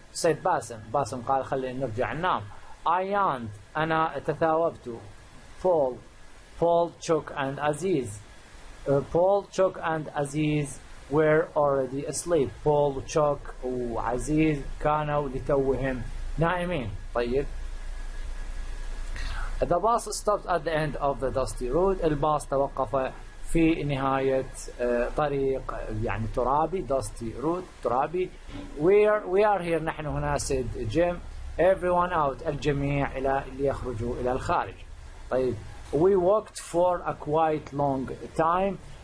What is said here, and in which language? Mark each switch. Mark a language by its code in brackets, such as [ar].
[en] Said Basim، [ar] Basim قال خلينا نرجع النوم. [en] I yawned، [ar] أنا تثاوبت. [en] Paul Chuck and Aziz. Paul Chuck and Aziz were already asleep. [ar] Paul Chuck وعزيز كانوا لتوهم نائمين. طيب. [en] The bus stopped at the end of the dusty road. [ar] الباص توقف في نهاية طريق يعني ترابي. [en] Dusty road [ar] ترابي. [en] We are here. [ar] نحن هنا. [en] Said Jim. Everyone out. [ar] الجميع إلى ليخرجوا إلى الخارج. [en] طيب. We walked for a quite long time.